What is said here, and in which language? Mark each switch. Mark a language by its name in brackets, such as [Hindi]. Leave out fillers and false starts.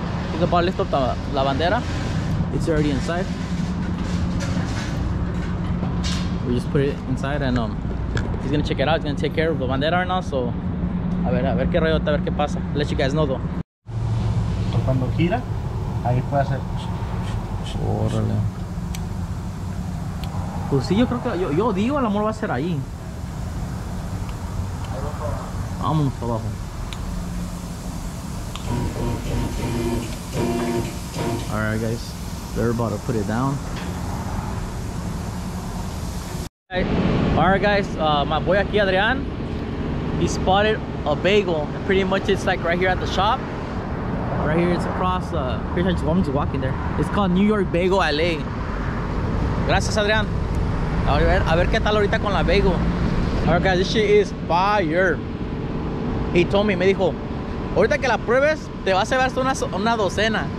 [English] He's about to lift up the bandera. It's already inside. We just put it inside and he's gonna check it out. He's gonna take care of the bandera right now. [Spanish] So, a ver qué rollo, a ver qué pasa. [English] Let you guys know though. [Spanish] Cuando gira, ahí puede hacer. Órale. Pues sí, yo creo que yo digo el amor va a ser ahí. Vámonos para abajo. [English] Alright guys, they're about to put it down. Alright guys, my boy aquí, Adrián, he spotted a bagel. Pretty much it's like right here at the shop. Right here, it's across, pretty much I'm just walking there. It's called New York Bagel LA. [Spanish] Gracias, [English] Adrián. [Spanish] A ver qué tal ahorita con la bagel. [English] Alright guys, this shit is fire. He told me, [Spanish] me dijo, ahorita que la pruebes, te vas a llevar hasta una docena.